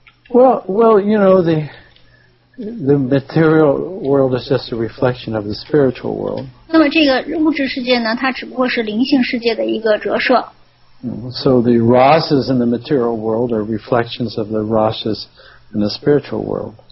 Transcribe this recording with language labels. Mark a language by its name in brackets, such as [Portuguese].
[English] Well, you know, the material world is just a reflection of the spiritual world. [Chinese] 那么这个物质世界呢，它只不过是灵性世界的一个折射。 [English] So the rasas in the material world are reflections of the rasas in the spiritual world.